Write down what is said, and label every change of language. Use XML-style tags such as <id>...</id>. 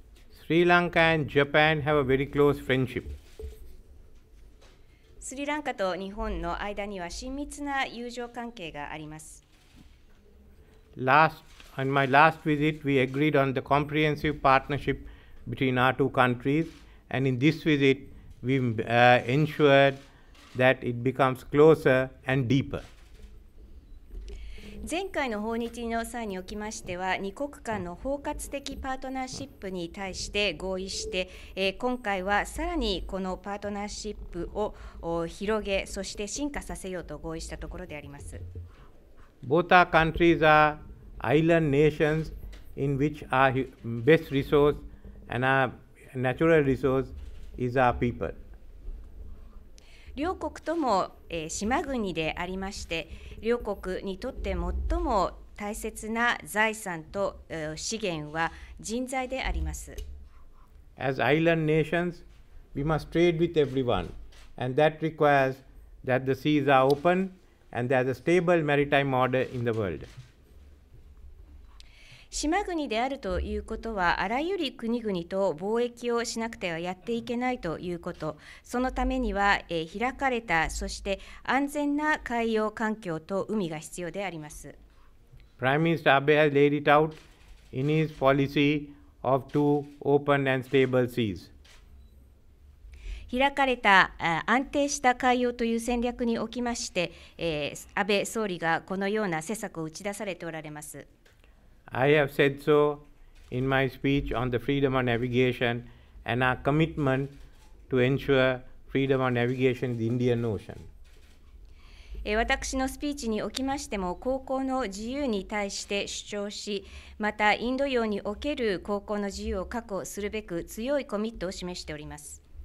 <en>スリランカ and Japan have a very close friendship.</en> <ja>スリランカと日本の間には親密な友情関係があります。</ja> <en>On my last visit, we agreed on the comprehensive partnership between our two countries. And in this visit, we ensured that it becomes closer and deeper.</en> <ja>前回の訪日の際におきましては、二国間の包括的パートナーシップに対して合意して、今回はさらにこのパートナーシップを広げ、そして進化させようと合意したところであります。</ja> <en>Both our countries are island nations in which our best resource and ourNatural resource is our people.</en> <ja>両国とも、島国でありまして、両国にとって最も大切な財産と、資源は人材であります。</ja> <en>As island nations, we must trade with everyone, and that requires that the seas are open and there's a stable maritime order in the world.</en> <ja>島国であるということは、あらゆる国々と貿易をしなくてはやっていけないということ、そのためには、開かれた、そして安全な海洋環境と海が必要であります。</ja> <en>Prime Minister Abe has laid it out in his policy of two open and stable seas.</en> <ja>開かれた安定した海洋という戦略におきまして、安倍総理がこのような施策を打ち出されておられます。</ja> <en>I have said so in my speech on the freedom of navigation and our commitment to ensure freedom of navigation in the Indian Ocean.</en> <ja>私のスピーチにおきましても、航行の自由に対して主張し、またインド洋における航行の自由を確保するべく強いコミットを示しております。</ja>